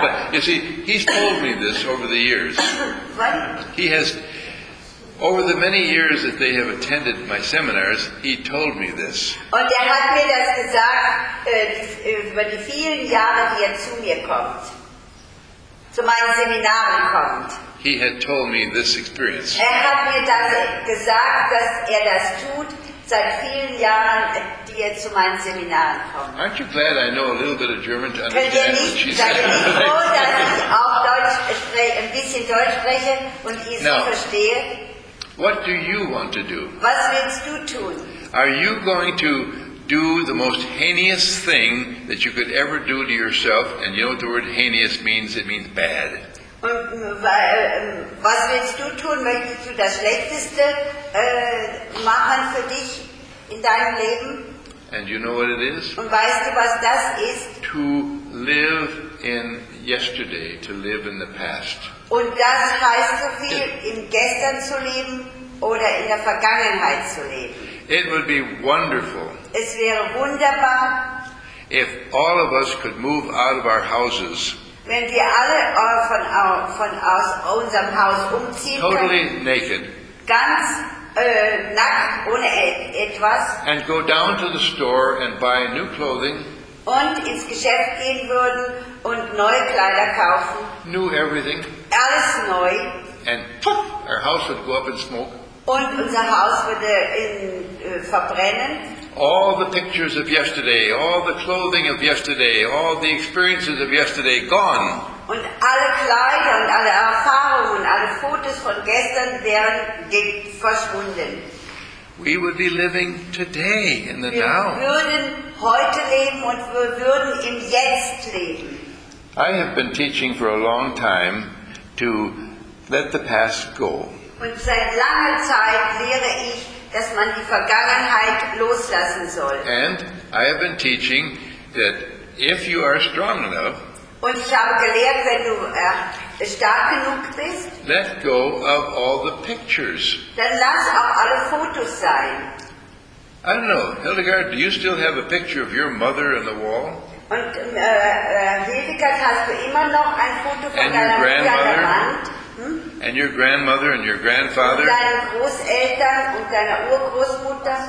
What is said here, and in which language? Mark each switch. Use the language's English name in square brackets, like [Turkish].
[English] But you see, he's told me this over the years. What? He has, over the many years that they have attended my seminars, he told me this. [German] Und hat mir das gesagt, über die vielen Jahre, die zu mir kommt, zu meinen Seminaren kommt. [English] He had told me this experience. [German] Hat mir das gesagt, dass das tut, seit vielen Jahren, die zu meinen Seminaren kommt. [English] Aren't you glad I know a little bit of German to understand what she said? [German] Könnt ihr nicht froh, dass ich auch Deutsch ein bisschen Deutsch spreche und ihr sie verstehe? [English] What do you want to do? [German] Was willst du tun? [English] Are you going to do the most heinous thing that you could ever do to yourself? And you know what the word heinous means? It means bad. [German] Was willst du tun? Möchtest du das Schlechteste machen für dich in deinem Leben? [English] And you know what it is? [German] Und weißt du, was das ist? [English] To live in yesterday, to live in the past. [German] Und das heißt so viel, im Gestern zu leben oder in der Vergangenheit zu leben. [English] It would be wonderful. [German] Es wäre wunderbar. [English] If all of us could move out of our houses. [German] Wenn wir alle von aus unserem Haus umziehen. [English] Totally [German] können, [English] naked. [German] Ganz nackt, ohne etwas. [English] And go down to the store and buy new clothing. [German] Und ins Geschäft gehen würden und neue Kleider kaufen. [English] New everything. [German] Alles neu. [English] And poof, our house would go up in smoke. [German] Und unser Haus würde in verbrennen. [English] All the pictures of yesterday, all the clothing of yesterday, all the experiences of yesterday, gone. [German] Und alle Kleider und alle Erfahrungen, alle Fotos von gestern wären verschwunden. [English] We would be living today in the now. [German] Wir würden heute leben und wir würden im Jetzt leben. [English] I have been teaching for a long time to let the past go. [German] Und seit langer Zeit lehre ich, dass man die Vergangenheit loslassen soll. [English] And I have been teaching that if you are strong enough, [German] und ich habe gelehrt, wenn du stark genug bist, [English] let go of all the pictures. [German] Dann lass auch alle Fotos sein. [English] I don't know, Hildegard, do you still have a picture of your mother on the wall? [German] Und Hildegard, hast du immer noch ein Foto von deiner Mutter an der Wand? [English] And your grandmother and your grandfather. [German] Und deine Großeltern und deine Urgroßmutter.